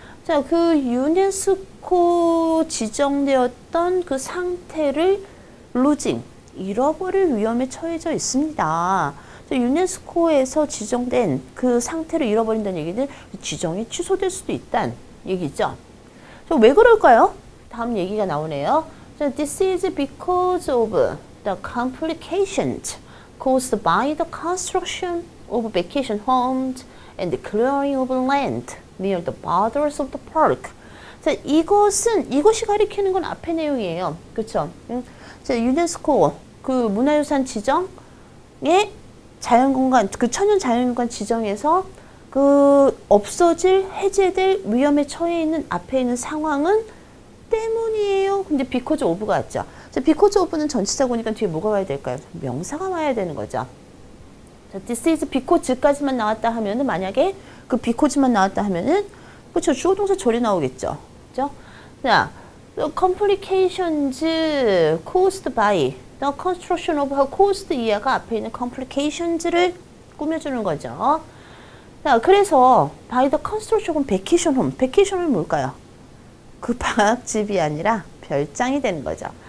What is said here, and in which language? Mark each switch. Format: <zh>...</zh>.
<ko>자, 그 유네스코 지정되었던 그 상태를 losing, 잃어버릴 위험에 처해져 있습니다. 자, 유네스코에서 지정된 그 상태를 잃어버린다는 얘기는 지정이 취소될 수도 있다는 얘기죠. 자, 왜 그럴까요? 다음 얘기가 나오네요.</ko> <en>자, this is because of the complications caused by the construction of vacation homes and the clearing of land near the borders of the park.</en> <ko>자, 이것은 이것이 가리키는 건 앞에 내용이에요. 그렇죠? 자, 유네스코 그 문화유산 지정의 자연공간, 그 천연 자연공간 지정에서 그 없어질, 해제될 위험에 처해 있는 앞에 있는 상황은 때문이에요. 근데 because of가 왔죠. 자, because of는 전치사고니까 뒤에 뭐가 와야 될까요? 명사가 와야 되는 거죠. 자, this is because까지만 나왔다 하면은 만약에 그 because만 나왔다 하면은 그렇죠. 주어 동사 절이 나오겠죠. 그렇죠? 자,</ko> <en>the complications caused by the construction of</en> <ko>caused 이하가 앞에 있는 complications를 꾸며주는 거죠. 자, 그래서</ko> <en>by the construction of vacation home.</en> <ko>vacation home이 뭘까요? 그 방학집이 아니라 별장이 되는 거죠.</ko>